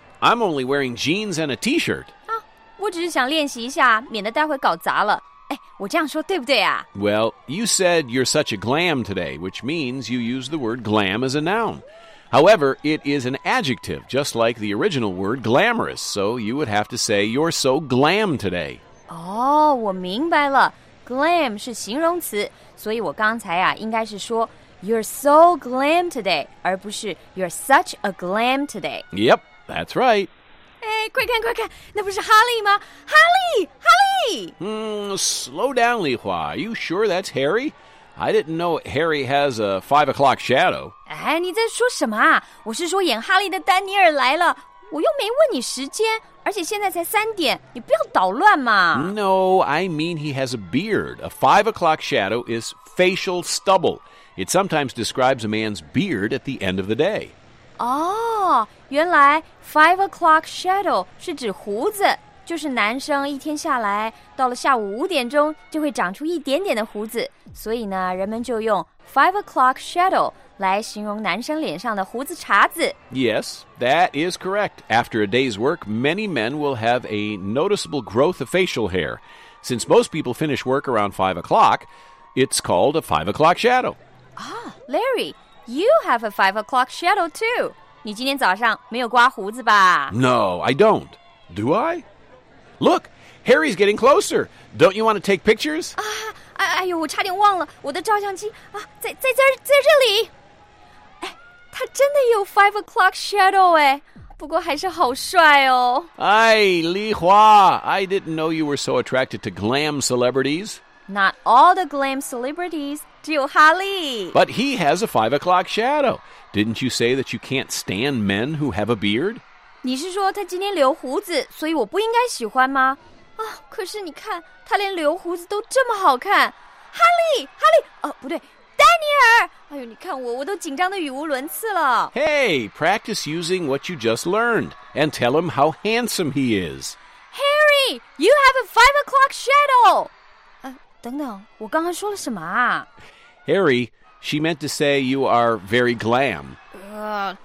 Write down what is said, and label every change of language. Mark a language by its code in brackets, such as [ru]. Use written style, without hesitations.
[en] I'm only wearing jeans and a t-shirt. [zh] 啊，我只是想练习一下，免得待会搞砸了。哎，我这样说对不对啊？ [en] Well, you said you're such a glam today, which means you use the word glam as a noun. However, it is an adjective, just like the original word glamorous, so you would have to say you're so glam today. [zh] Oh, 我明白了。Glam 是形容词，所以我刚才啊，应该是说 [en] you're so glam today, [zh] 而不是 [en] you're such a glam today. Yep, that's right. [zh] 哎，快看快看，那不是哈利吗？哈利，哈利！ [en] Slow down, Li Hua. Are you sure that's Harry? I didn't know Harry has a 5 o'clock shadow. [zh] 哎，你在说什么啊？我是说演哈利的丹尼尔来了。我又没问你时间，而且现在才三点，你不要捣乱嘛。 [en] No, I mean he has a beard. A 5 o'clock shadow is facial stubble. It sometimes describes a man's beard at the end of the day. [zh] 哦，原来 5 o'clock shadow 是指胡子，就是男生一天下来，到了下午5点钟就会长出一点点的胡子，所以呢，人们就用 5 o'clock shadow来形容男生脸上的胡子茬子。 [en] Yes, that is correct. After a day's work, many men will have a noticeable growth of facial hair. Since most people finish work around 5 o'clock, it's called a 5 o'clock shadow. Ah, Larry, you have a 5 o'clock shadow too. [zh] 你今天早上没有刮胡子吧？ [en] No, I don't. Do I? Look, Harry's getting closer. Don't you want to take pictures? [zh] Ah, 哎呦，我差点忘了，我的照相机啊，在这里。他真的有 5 o'clock shadow 哎，不过还是好帅哦。 [en] 哎，丽华 ，I didn't know you were so attracted to glam celebrities. Not all the glam celebrities, [zh] 只有哈利。 [en] But he has a 5 o'clock shadow. Didn't you say that you can't stand men who have a beard? [zh] 你是说他今天留胡子，所以我不应该喜欢吗？啊，可是你看，他连留胡子都这么好看，哈利，哈利，哦，不对。哎呦，你看我，我都紧张得语无伦次了。 [en] Hey, practice using what you just learned, and tell him how handsome he is. Harry, you have a 5 o'clock shadow. [zh] 等等，我刚刚说了什么啊 [en] ？Harry, she meant to say you are very glam.